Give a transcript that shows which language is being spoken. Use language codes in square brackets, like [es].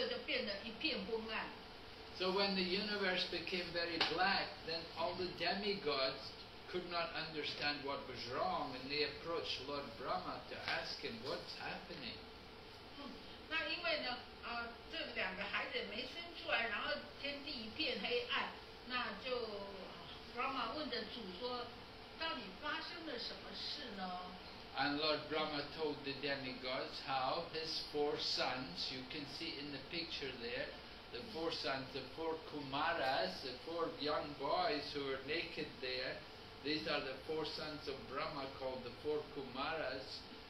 [zh] 那因为这个弟弟把他的婴儿留在腹中，一直没有把他生出来，那这也干扰了整个宇宙，那宇宙就变得一片昏暗。 [en] So when the universe became very black, then all the demigods could not understand what was wrong, and they approached Lord Brahma to ask him, what's happening? [zh] 那因为这两个孩子没生出来，然后天地一片黑暗，那就Brahma问着主说，到底发生了什么事呢？ [en] And Lord Brahma told the demigods how his four sons, you can see in the picture there, the four sons, the four Kumaras, the four young boys who are naked there, these are the four sons of Brahma called the four Kumaras.